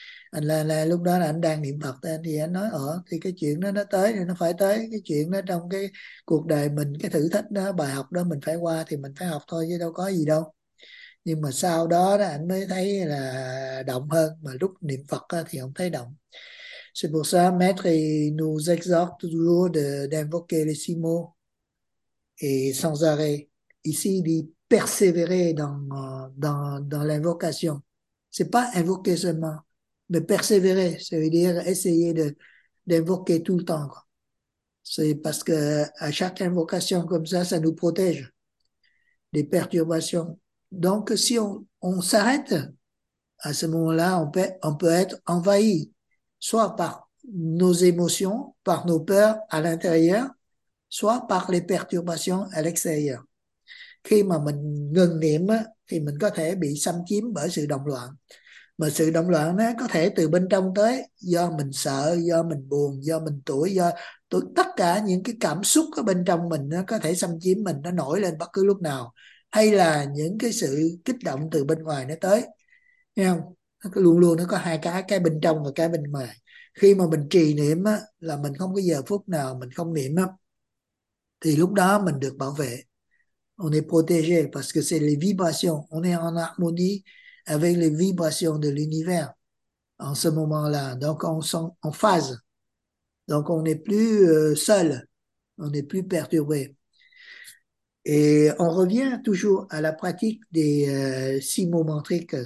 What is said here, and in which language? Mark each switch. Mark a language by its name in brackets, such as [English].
[Vietnamese] Anh là lúc đó là anh đang niệm Phật thì anh nói ờ thì cái chuyện đó nó tới thì nó phải tới, cái chuyện đó trong cái cuộc đời mình, cái thử thách đó, bài học đó mình phải qua thì mình phải học thôi chứ đâu có gì đâu. Nhưng mà sau đó đó anh mới thấy là động hơn, mà lúc niệm Phật đó, thì không thấy động. [French] C'est pour ça, Maître nous exhorte toujours d'invoquer les six mots et sans arrêt. Ici, d'y persévérer dans l'invocation. C'est pas invoquer seulement. Mais persévérer, ça veut dire essayer d'invoquer tout le temps, quoi. C'est parce que à chaque invocation comme ça nous protège des perturbations. Donc, si on s'arrête, à ce moment-là, on peut être envahi, soit par nos émotions, par nos peurs à l'intérieur, soit par les perturbations à l'extérieur. [Vietnamese] Khi mà mình ngừng niệm, thì mình có thể bị xâm chiếm bởi sự động loạn. Mà sự động loạn nó có thể từ bên trong tới, do mình sợ, do mình buồn, do mình tủi, do tất cả những cái cảm xúc ở bên trong mình nó có thể xâm chiếm mình, nó nổi lên bất cứ lúc nào, hay là những cái sự kích động từ bên ngoài nó tới. Thấy không? Nó luôn luôn nó có hai cái bên trong và cái bên ngoài. Khi mà mình trì niệm á, là mình không có giờ phút nào mình không niệm á, thì lúc đó mình được bảo vệ. [French] On est protégé parce que c'est les vibrations. On est en harmonie avec les vibrations de l'univers en ce moment-là. Donc, on est en phase. Donc, on n'est plus seul. On n'est plus perturbé. Et on revient toujours à la pratique des six mots mantriques.